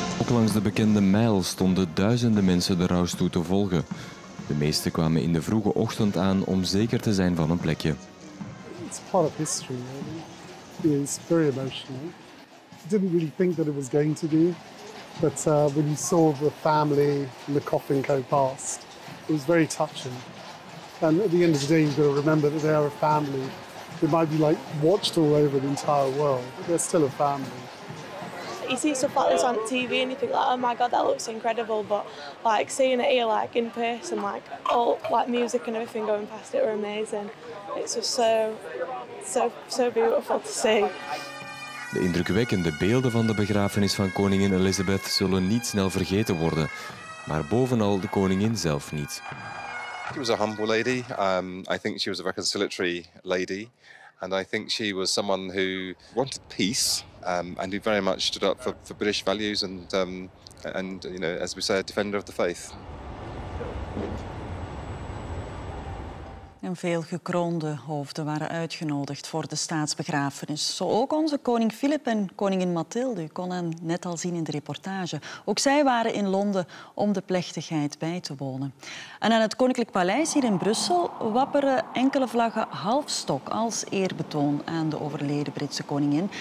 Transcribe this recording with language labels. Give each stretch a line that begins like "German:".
Dutch: Langs de bekende mijl stonden duizenden mensen de rouwstoet te volgen. De meesten kwamen in de vroege ochtend aan om zeker te zijn van een plekje.
English: It's part of history, really. Yeah, it's very emotional. I didn't really think that it was going to be, but when you saw the family and the coffin go past, it was very touching. And at the end of the day, you've got to remember that they are a family. They might be like watched all over the entire world, but they're still a family. You see stuff like this on TV and you think like, oh my god, that looks incredible, but like seeing it here like in person, like all like music and everything going past it were amazing. It's just so beautiful to see.
Dutch: De indrukwekkende beelden van de begrafenis van koningin Elizabeth zullen niet snel vergeten worden, maar bovenal de koningin zelf niet.
English: She was a humble lady. I think she was a reconciliatory lady. And I think she was someone who wanted peace and who very much stood up for British values and you know, as we say, a defender of the faith.
Dutch: En veel gekroonde hoofden waren uitgenodigd voor de staatsbegrafenis. Zo ook onze koning Philip en koningin Mathilde. U kon hen net al zien in de reportage. Ook zij waren in Londen om de plechtigheid bij te wonen. En aan het Koninklijk Paleis hier in Brussel wapperen enkele vlaggen halfstok als eerbetoon aan de overleden Britse koningin.